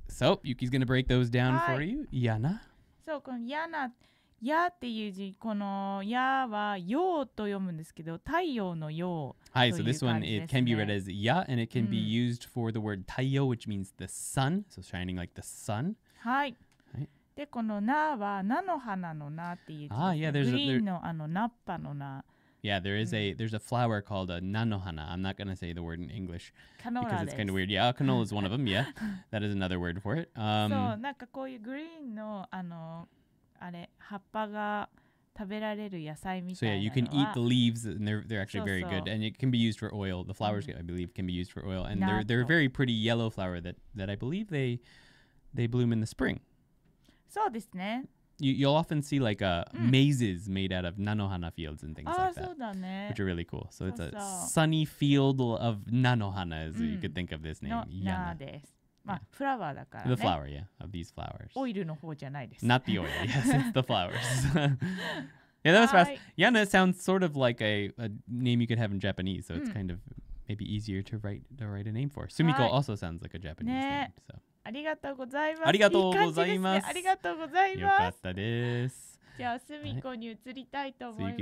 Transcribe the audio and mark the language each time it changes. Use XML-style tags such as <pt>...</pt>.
<en>So, Yuki's going to break those down for you. Yana.</en> <ja>So, Yana, ya teyuji, kono ya wa yo to yomu desu kedo, taiyo no yo. Hi.</ja> <en>So, this one, it can be read as ya, and it can be used for the word taiyo, which means the sun. So, shining like the sun. Hi.</en> <ja>で、このなは菜の花のなっていう、</ja> <en>ah, yeah, there's</en> <ja>グリーンのあのなっぱのな。</ja> <en>Yeah, there is a, there's a flower called a nanohana. I'm not going to say the word in English. Canola because it's kind of weird. Yeah, canola is one of them. Yeah, that is another word for it.</en> <ja>So, なんかこういうグリーンの、あの、あれ、葉っぱが食べられる野菜みたいなのは。</ja> <en>So yeah, you can eat the leaves and they're actually very good. And it can be used for oil. The flowers, I believe, can be used for oil. And they're a very pretty yellow flower that I believe they bloom in the spring.</en> <ja>そうですね。</ja> <en>You'll often see like mazes made out of nanohana fields and things like that.</en> <ja>そうだね。</ja> <en>Which are really cool. So it's a sunny field of nanohana, as you could think of this name.</en> <ja>なです。まあ、フラワーだからね。</ja> <en>The flower, yeah, of these flowers.</en> <ja>オイルの方じゃないです。</ja> <en>Not the oil, yes, it's the flowers. Yeah, that was fast. Yana sounds sort of like a name you could have in Japanese, so it's kind of maybe easier to write a name for. Sumiko also sounds like a Japanese name, so.</en> <ja>ありがとうございます。ありがとうございます。ありがとうございます。よかったです。じゃあ、スミコに移りたいと思います。</ja>